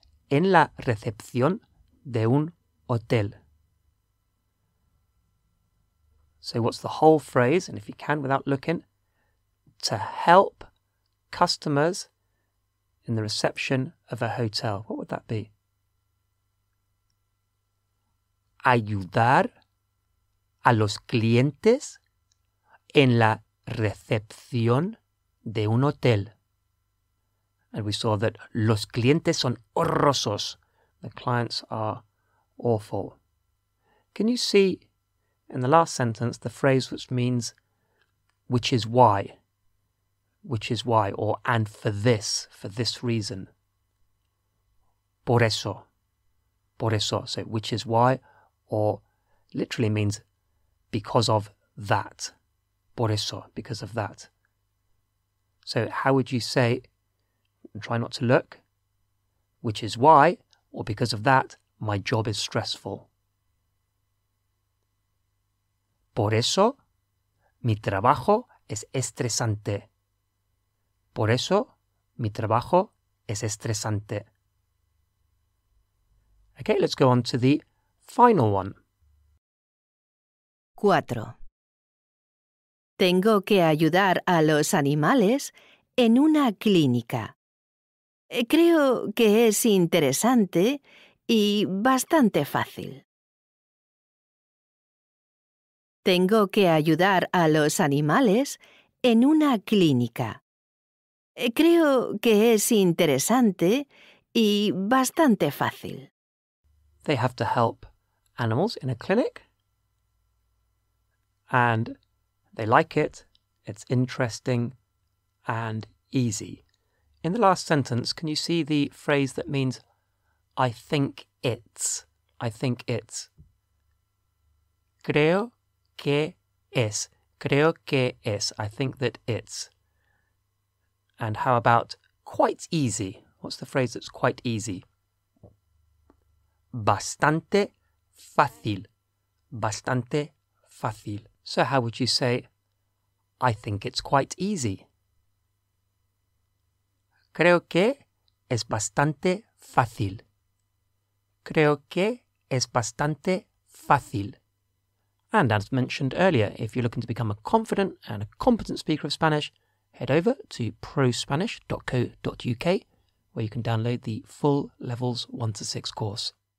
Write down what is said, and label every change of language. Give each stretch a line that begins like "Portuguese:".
Spanish: En la recepción de un hotel.
English: So what's the whole phrase? And if you can, without looking, to help customers in the reception of a hotel. What would that be?
Spanish: Ayudar a los clientes en la recepción de un hotel.
English: And we saw that
Spanish: los clientes son horrorosos.
English: The clients are awful. Can you see in the last sentence the phrase which means which is why? Which is why, or and for this reason.
Spanish: Por eso, por eso.
English: So which is why, or literally means because of that.
Spanish: Por eso,
English: because of that. So how would you say, try not to look, which is why, or because of that, my job is stressful.
Spanish: Por eso, mi trabajo es estresante. Por eso, mi trabajo es estresante.
English: Okay, let's go on to the final one.
Spanish: Cuatro. Tengo que ayudar a los animales en una clínica. Creo que es interesante y bastante fácil. Tengo que ayudar a los animales en una clínica. Creo que es interesante y bastante fácil.
English: They have to help animals in a clinic. And they like it. It's interesting and easy. In the last sentence, can you see the phrase that means I think it's? I think it's.
Spanish: Creo que es. Creo que es.
English: I think that it's. And how about quite easy? What's the phrase that's quite easy?
Spanish: bastante fácil. Bastante fácil.
English: So how would you say, I think it's quite easy?
Spanish: Creo que es bastante fácil. Creo que es bastante fácil.
English: And as mentioned earlier, if you're looking to become a confident and a competent speaker of Spanish, head over to prospanish.co.uk, where you can download the full Levels 1-6 course.